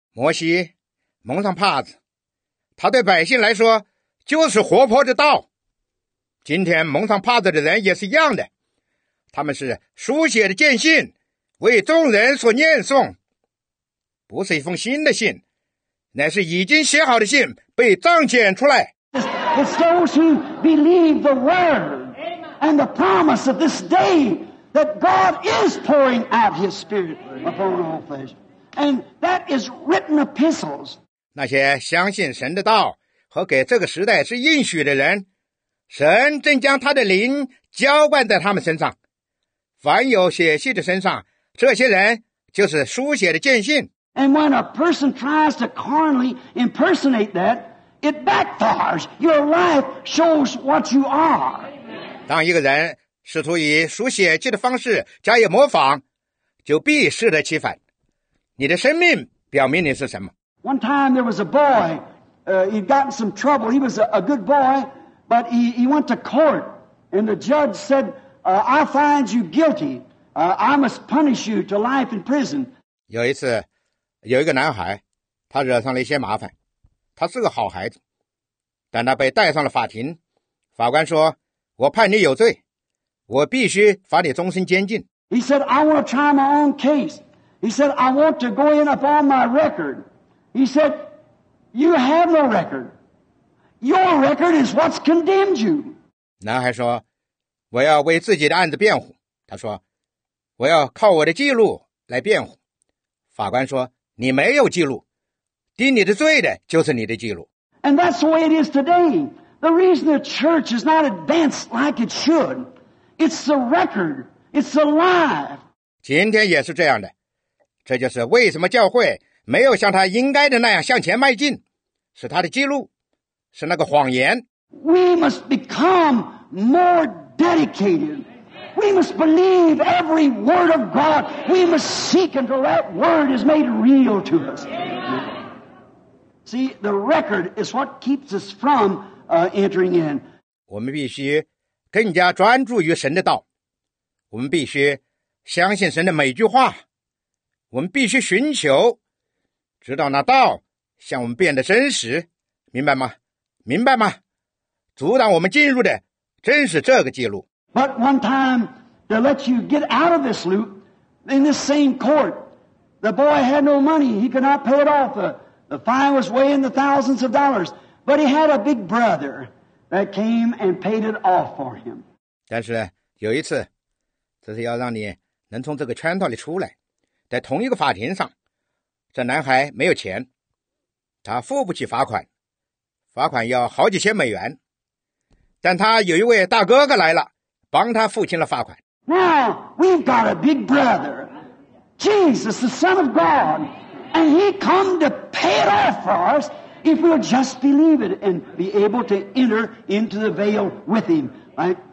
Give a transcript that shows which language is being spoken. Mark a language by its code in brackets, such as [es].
[zh] 摩西蒙上帕子，他对百姓来说就是活泼的道。今天蒙上帕子的人也是一样的，他们是书写的见信，为众人所念诵，不是一封新的信，乃是已经写好的信被彰显出来。 [en] It's those who believe the word. And the promise of this day that God is pouring out His Spirit upon all flesh. And that is written epistles. [zh] 那些相信神的道和给这个时代是应许的人，神正将他的灵浇灌在他们身上。凡有血气的身上，这些人就是书写的见信。 [en] And when a person tries to carnally impersonate that, it backfires. Your life shows what you are. [zh] 当一个人试图以书写记的方式加以模仿，就必适得其反。你的生命表明你是什么。 [en] One time there was a boy, he'd gotten some trouble. He was a good boy, but he went to court, and the judge said, I find you guilty. I must punish you to life in prison. [zh] 有一次，有一个男孩，他惹上了一些麻烦，他是个好孩子，但他被带上了法庭。法官说，我判你有罪，我必须罚你终身监禁。 [en] He said, I want to try my own case. He said, I want to go in upon my record. He said, you have no record. Your record is what's condemned you. [zh] 男孩说，我要为自己的案子辩护。他说，我要靠我的记录来辩护。法官说，你没有记录，定你的罪的就是你的记录。 [en] And that's the way it is today. The reason the church is not advanced like it should, it's the record, it's the lie. [zh] 今天也是这样的，这就是为什么教会没有像他应该的那样向前迈进，是他的记录，是那个谎言。 [en] We must become more dedicated. We must believe every word of God. We must seek until that word is made real to us. See, the record is what keeps us from entering in. [zh] 我们必须更加专注于神的道。我们必须相信神的每句话。我们必须寻求，直到那道向我们变得真实。明白吗？明白吗？阻挡我们进入的真是这个记录。 [en] But one time, to let you get out of this loop, in this same court, the boy had no money. He could not pay it off. The fine was weighing the thousands of dollars. But he had a big brother that came and paid it off for him. [zh] 但是有一次，这是要让你能从这个圈套里出来。在同一个法庭上，这男孩没有钱，他付不起罚款，罚款要好几千美元。但他有一位大哥哥来了，帮他付清了罚款。 [en] Now we've got a big brother, Jesus, the Son of God, and He come to pay it off for us if we'll just believe it and be able to enter into the veil with Him. Right?